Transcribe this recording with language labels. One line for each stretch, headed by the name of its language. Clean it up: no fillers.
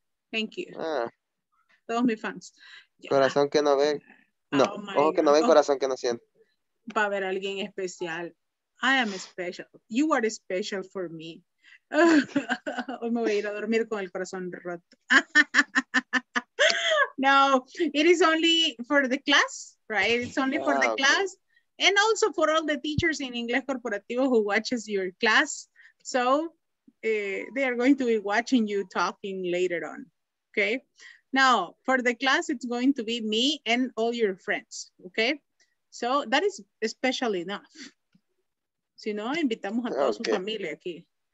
English: Thank you.
Spanish: Todos mis fans. Corazón que no ve. No, ojo que no ve, corazón que no siente. Va a haber alguien especial.
English: I am special. You are special for me.
Spanish: Hoy me voy a ir a dormir con el corazón roto.
English: No, it is only for the class, right? It's only for the class. And also for all the teachers in Inglés Corporativo who watches your class. So they are going to be watching you talking later on. Okay. Now, for the class, it's going to be me and all your friends. Okay. So that is special enough.
Spanish: Si no, invitamos a toda su familia aquí.